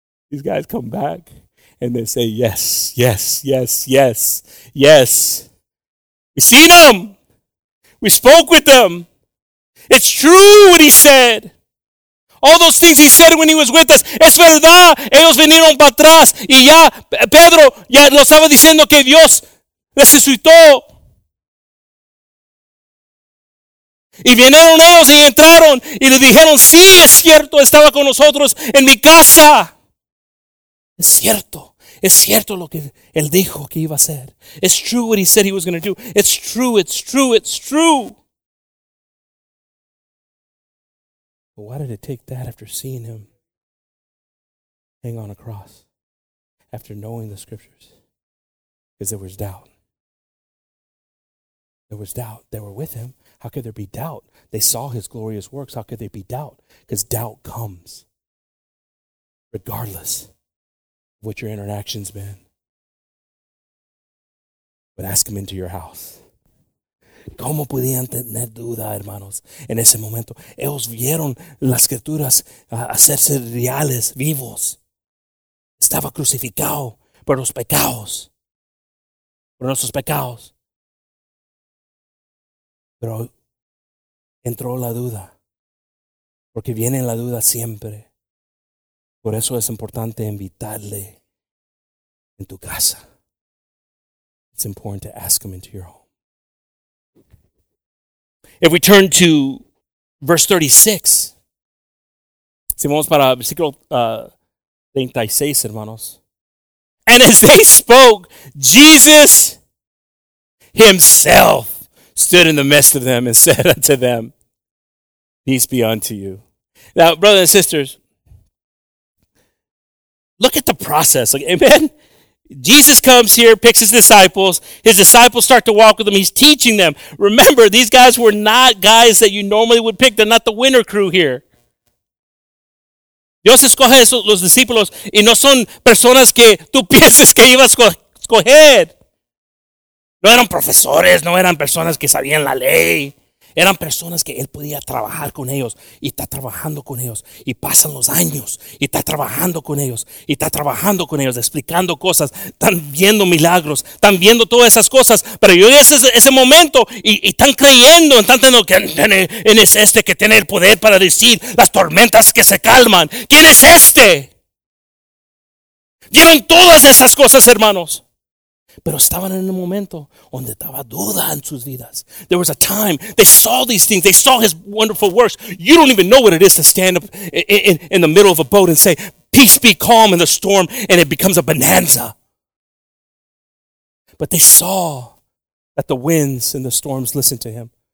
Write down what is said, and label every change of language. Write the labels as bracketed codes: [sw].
[en] These guys come back and they say, yes, yes, yes, yes, yes. We seen him. We spoke with him. It's true what he said. All those things he said when he was with us. [es] Es verdad. Ellos vinieron para atrás. Y ya, Pedro, ya lo estaba diciendo que Dios resucitó. Y vinieron ellos y entraron. Y le dijeron, sí, es cierto. Estaba con nosotros en mi casa. Es cierto. Es cierto lo que él dijo que iba a hacer. [en] It's true what he said he was going to do. It's true, it's true, it's true. But why did it take that after seeing him hang on a cross, after knowing the scriptures? Because there was doubt. There was doubt. They were with him. How could there be doubt? They saw his glorious works. How could there be doubt? Because doubt comes regardless of what your interaction's been. But ask him into your house. [es] ¿Cómo podían tener duda, hermanos, en ese momento? Ellos vieron las escrituras hacerse reales, vivos. Estaba crucificado por los pecados. Por nuestros pecados. Pero entró la duda. Porque viene la duda siempre. Por eso es importante invitarle en tu casa. [en] It's important to ask him into your home. If we turn to verse 36. [es] Si vamos para versículo 36, hermanos. [en] And as they spoke, Jesus himself stood in the midst of them and said unto them, peace be unto you. Now, brothers and sisters, look at the process. Like, amen? Jesus comes here, picks his disciples. His disciples start to walk with him. He's teaching them. Remember, these guys were not guys that you normally would pick. They're not the winner crew here. [es] Dios escoge los discípulos y no son personas que tú piensas que ibas a escoger. No eran profesores, no eran personas que sabían la ley. Eran personas que él podía trabajar con ellos y está trabajando con ellos y pasan los años y está trabajando con ellos y está trabajando con ellos, explicando cosas, están viendo milagros, están viendo todas esas cosas, pero yo ese momento y están creyendo, están teniendo que ¿quién es este que tiene el poder para decir las tormentas que se calman? ¿Quién es este? Vieron todas esas cosas, hermanos. Pero estaban en un momento donde estaba duda en sus vidas. [en] There was a time they saw these things. They saw his wonderful works. You don't even know what it is to stand up in the middle of a boat and say, peace be calm in the storm, and it becomes a bonanza. But they saw that the winds and the storms listened to him.